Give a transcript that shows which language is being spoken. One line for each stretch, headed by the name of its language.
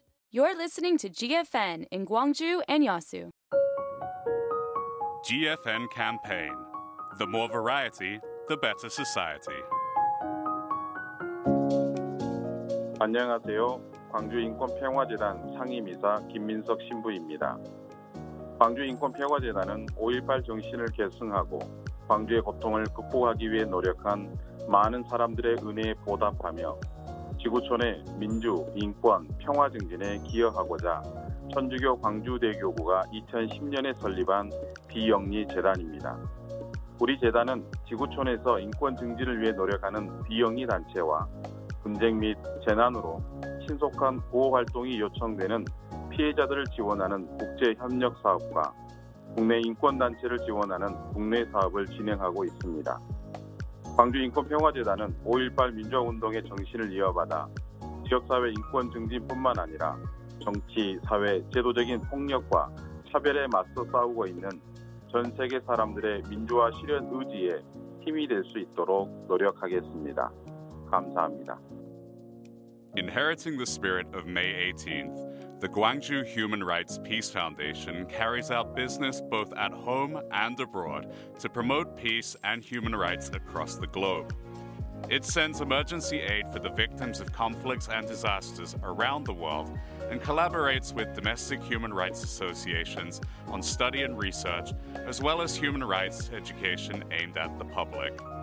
English: You're listening to GFN in Gwangju and Yeosu. GFN campaign. The more variety, the better society.
Korean: 안녕하세요. 광주 인권 평화 재단 상임이사 김민석 신부입니다. 광주 인권 평화 재단은 5.18 정신을 계승하고 광주의 고통을 극복하기 위해 노력한 많은 사람들의 은혜에 보답하며 지구촌의 민주, 인권, 평화 증진에 기여하고자 천주교 광주대교구가 2010년에 설립한 비영리 재단입니다. 우리 재단은 지구촌에서 인권 증진을 위해 노력하는 비영리 단체와 분쟁 및 재난으로 신속한 구호활동이 요청되는 피해자들을 지원하는 국제협력사업과 국내 인권단체를 지원하는 국내 사업을 진행하고 있습니다. 광주인권평화재단은 5.18 민주화운동의 정신을 이어받아 지역사회 인권 증진뿐만 아니라 정치, 사회, 제도적인 폭력과 차별에 맞서 싸우고 있는 전 세계 사람들의 민주화 실현 의지에 힘이 될 수 있도록 노력하겠습니다. 감사합니다.
English: Inheriting the spirit of May 18th, the Gwangju Human Rights Peace Foundation carries out business both at home and abroad to promote peace and human rights across the globe. It sends emergency aid for the victims of conflicts and disasters around the world and collaborates with domestic human rights associations on study and research, as well as human rights education aimed at the public.